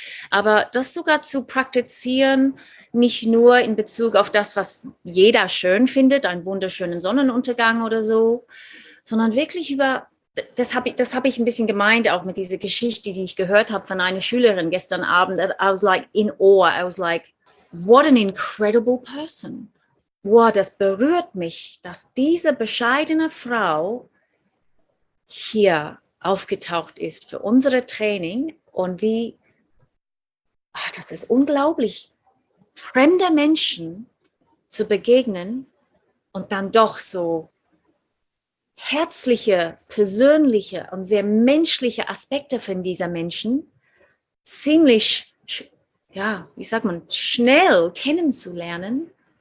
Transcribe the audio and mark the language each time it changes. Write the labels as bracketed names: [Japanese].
[German] Aber das sogar zu praktizieren, nicht nur in Bezug auf das, was jeder schön findet, einen wunderschönen Sonnenuntergang oder so, sondern wirklich über... Das hab ich ein bisschen gemeint, auch mit dieser Geschichte, die ich gehört habe von einer Schülerin gestern Abend. [English] I was like in awe. I was like, what an incredible person. [German] Wow, das berührt mich, dass diese bescheidene Frau hier aufgetaucht ist für unsere Training. Und wie, ach, das ist unglaublich, fremde Menschen zu begegnen und dann doch so herzliche, persönliche und sehr menschliche Aspekte von dieser Menschen ziemlich, ja, wie sagt man, schnell kennenzulernen.